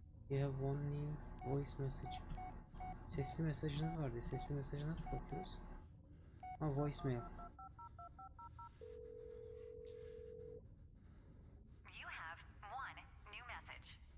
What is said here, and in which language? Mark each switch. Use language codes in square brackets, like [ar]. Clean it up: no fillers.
[en] You have one new voice message. [tr] Sesli mesajınız var diye. Sesli mesajı nasıl bakıyoruz? [en] Ha, voice mail. You have one new message.